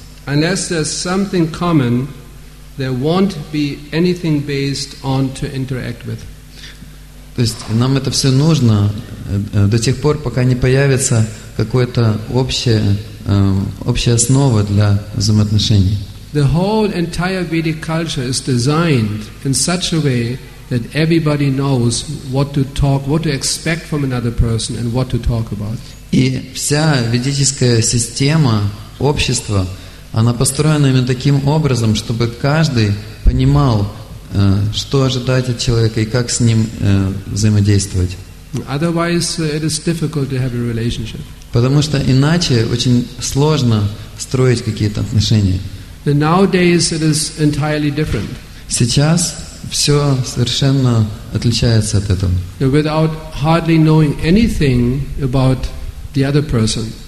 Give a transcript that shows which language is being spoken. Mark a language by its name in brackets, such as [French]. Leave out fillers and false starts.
[English] Unless there's something common, there won't be anything based on to interact with. [Russian] То есть нам это все нужно до тех пор, пока не появится какая-то общая основа для взаимоотношений. [English] The whole entire Vedic culture is designed in such a way that everybody knows what to talk, what to expect from another person, and what to talk about. [Russian] И вся ведическая система общества, она построена именно таким образом, чтобы каждый понимал, что ожидать от человека и как с ним взаимодействовать. [English] Otherwise, it is difficult to have a relationship. [Russian] Потому что иначе очень сложно строить какие-то отношения. [English] But nowadays, it is entirely different. [Russian] Сейчас все совершенно отличается от этого. [English] Without hardly knowing anything about the other person.